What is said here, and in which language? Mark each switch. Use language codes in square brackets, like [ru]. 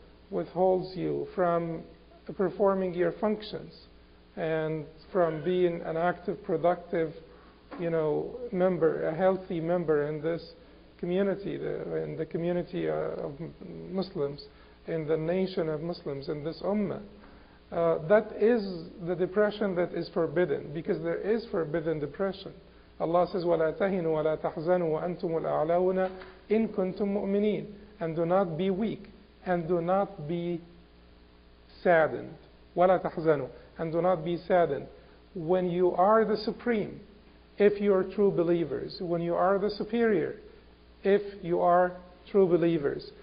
[en] withholds you from performing your functions and from being an active, productive, you know, member, a healthy member in this community, in the community of Muslims, in the nation of Muslims, in this ummah. That is the depression that is forbidden, because there is forbidden depression. Allah says, [ar] وَلَا تَهِنُوا وَلَا تَحْزَنُوا وَأَنْتُمُ الْأَعْلَوْنَ إِن كُنْتُم مُؤْمِنِينَ. [en] And do not be weak, and do not be saddened. [ar] وَلَا تَحْزَنُوا. [en] And do not be saddened. When you are the supreme, if you are true believers, when you are the superior, if you are true believers.